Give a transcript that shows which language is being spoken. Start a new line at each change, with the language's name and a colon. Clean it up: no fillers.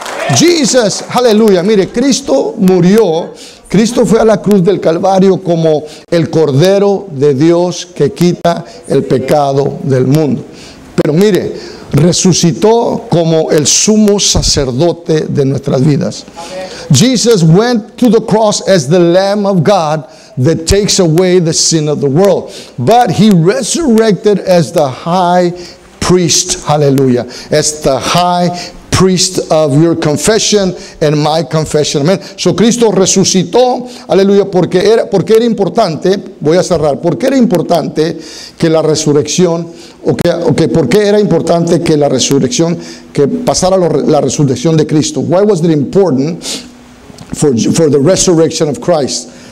Spanish: Jesus, aleluya. Mire, Cristo murió, Cristo fue a la cruz del Calvario como el Cordero de Dios que quita el pecado del mundo. Pero mire, resucitó como el sumo sacerdote de nuestras vidas.
English: Jesus went to the cross as the Lamb of God that takes away the sin of the world. But he resurrected as the high priest, aleluya, as the high priest of your confession and my confession.
Spanish: Amen. So Cristo resucitó, aleluya, porque era importante. Voy a cerrar. Porque era importante que la resurrección, okay, porque era importante que la resurrección, que pasara la resurrección de Cristo.
English: Why was it important for the resurrection of Christ?